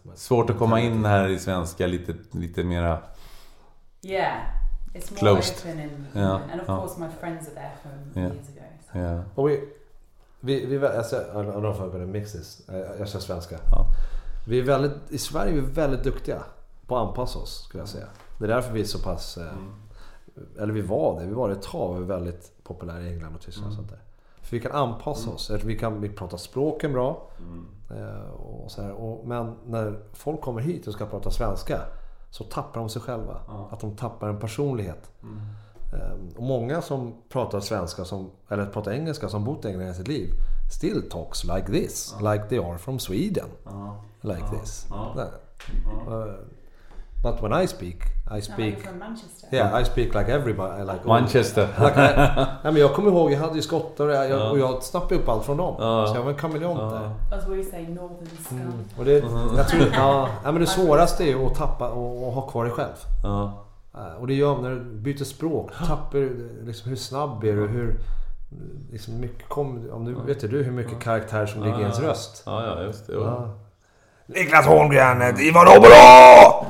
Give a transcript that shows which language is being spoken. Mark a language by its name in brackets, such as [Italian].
[Swedish] Svårt att komma in här i svenska lite mera. [English] Yeah. It's more closed. Open in, yeah. And of course my friends are there from years ago. Yeah. Oh, I don't know if I'm gonna mix this. [Swedish] Jag kör svenska. Ja. Vi är väldigt, i Sverige är vi väldigt duktiga på att anpassa oss, skulle jag säga. Det är därför vi är så pass eller vi var ett tag, vi var väldigt populära i England och Tyskland och sånt där. För vi kan anpassa oss, vi pratar språken bra. Mm. Och så här, men när folk kommer hit och ska prata svenska så tappar de sig själva, att de tappar en personlighet. Och många som pratar svenska eller pratar engelska som bott i England i sitt liv [English] still talks like this, [Swedish] like they are from Sweden, like this. [English] But when I speak from Manchester. Yeah, I speak like everybody, like Manchester. Like, I mean, [Swedish] jag kommer ihåg jag hade skottar och jag snappade upp allt från dem. Så jag var en kameleont där. [English] That's what you say, northern style. [Swedish] Och det det svåraste är att tappa och ha kvar dig själv. Och det gör när du byter språk, tappar liksom, hur snabb är du, hur liksom, mycket vet du hur mycket karaktär som ligger i ens röst. Ja, just det. Niklas Holmgren, det var då bra!